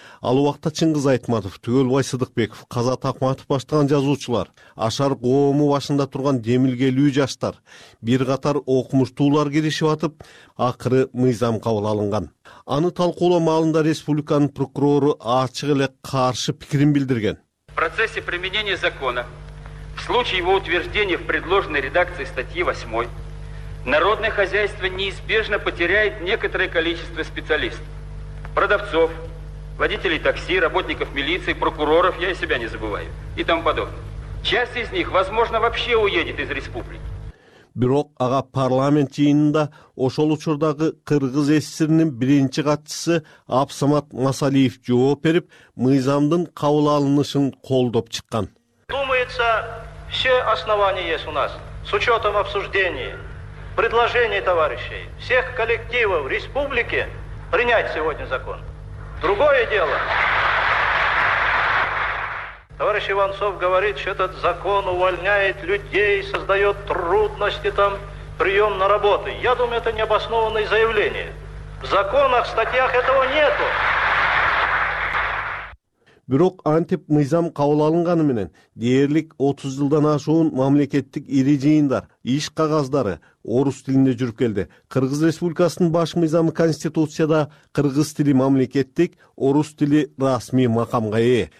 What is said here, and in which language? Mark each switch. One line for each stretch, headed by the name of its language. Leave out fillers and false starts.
Kyrgyz: Ал убакта Чыңгыз Айтматов, Түгөлбай Сыдыкбеков, Казат Акматов баштаган жазуучулар, ашар коому башында турган демилгелүү жаштар, бир катар окумуштуулар киришип атып, акыры мыйзам кабыл алынган. Аны талкуулоо маалында республиканын прокурору ачык эле каршы пикирин билдирген.
Russian: В процессе применения закона, в случае его утверждения в предложенной редакции статьи 8, народное хозяйство неизбежно потеряет некоторое количество специалистов. Продавцов, водителей такси, работников милиции, прокуроров, я и себя не забываю, и тому подобное. Часть из них, возможно, вообще уедет из республики.
Kyrgyz: Бирок ага парламент жыйынында ошол учурдагы Кыргыз СССРнин биринчи катчысы Абсамат Масалиев жооп берип, мыйзамдын кабыл алынышын колдоп чыккан.
Russian: Думается, все основания есть у нас с учетом обсуждения предложений товарищей всех коллективов республики принять сегодня закон. Другое дело. Товарищ Иванцов говорит, что этот закон увольняет людей, создает трудности там, прием на работу. Я думаю, это необоснованное заявление. В законах, статьях этого нету.
Kyrgyz: Бирок антип мыйзам кабыл алынганы менен дээрлик 30 жылдан ашуун мамлекеттик ири жыйындар, иш кагаздары орус тилинде жүрүп келди. Кыргыз Республикасынын баш мыйзамы Конституцияда кыргыз тили мамлекеттик, орус тили расмий макамга ээ.